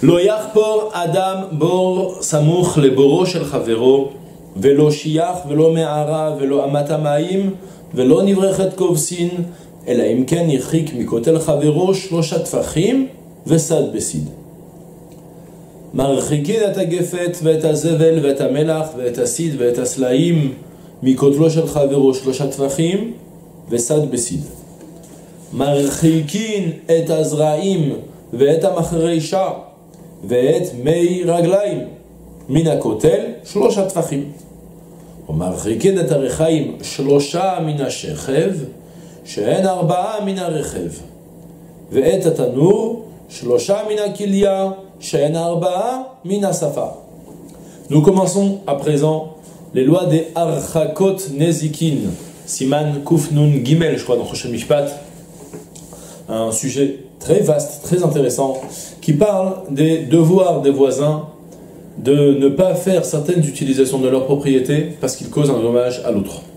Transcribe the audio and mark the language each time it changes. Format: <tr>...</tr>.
<he>Lo Yachpor Adam Bor Samuch Le Boro Shel Chavero, Velo Shiach, Velo Me'ara, Velo Amata Maim, Velo Nivrechet Kovsin, אלא אם כן יחריק מכותל חברו שלושה טפחים וסד בסיד. מרחיקין את הגפת ואת הזבל ואת המלח ואת הסיד ואת הסלעים מכותלו של חברו שלושה טפחים וסד בסיד. מרחיקין את הזרעים ואת המחרישה ואת מי רגליים מן הכותל שלושה טפחים. ומרחיקין את הריחיים שלושה מן השכב שאין ארבעה מן הרכב, ואת התנור, שלושה מן הכליה, שאין ארבעה מן השפה.</he> <fr>Nous commençons à présent les lois des Arhakot Nezikin, Siman Kuf Nun Gimel, je crois, dans Chosheh Mishpat, un sujet très vaste, très intéressant, qui parle des devoirs des voisins de ne pas faire certaines utilisations de leur propriété parce qu'ils causent un dommage à l'autre.</fr>